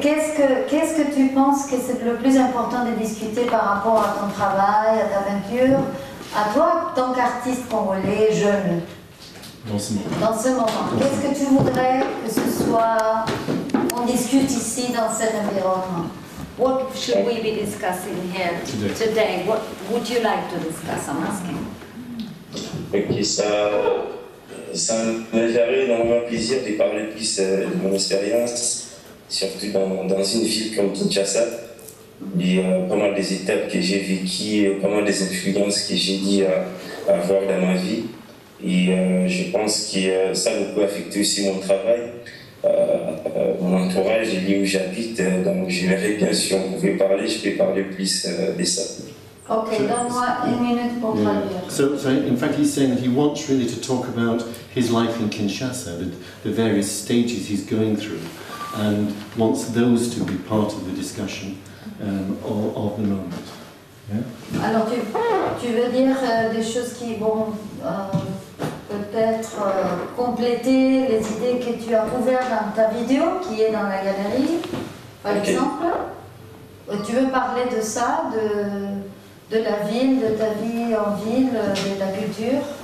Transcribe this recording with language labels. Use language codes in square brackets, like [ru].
[fr] Qu'est-ce que tu penses que c'est le plus important de discuter par rapport à ton travail, à ta peinture, à toi, tant qu'artiste congolais, jeune? Dans ce moment. Qu'est-ce que tu voudrais que ce soit, qu'on discute ici dans cet environnement? [en] What should we be discussing here today? What would you like to discuss, I'm asking? [fr] Ça me ferait énormément plaisir de parler plus de mon expérience, surtout dans une ville comme Kinshasa. Il y a pas mal des étapes que j'ai vécues, pas mal des influences que j'ai dû avoir dans ma vie. Et je pense que ça a beaucoup affecté aussi mon travail, mon entourage et l'île où j'habite. Donc j'aimerais bien, si on pouvait parler, je peux parler plus de ça. [en] Okay, so, [fr] donne-moi une minute pour [en] yeah. So, in fact, he's saying that he wants really to talk about his life in Kinshasa, the various stages he's going through, and wants those to be part of the discussion of the moment. Yeah? [fr] Alors, tu veux dire des choses qui vont peut-être compléter les idées que tu as ouvertes dans ta vidéo, qui est dans la galerie, par okay. exemple? Tu veux parler de ça, de la ville, de ta vie en ville, de la culture?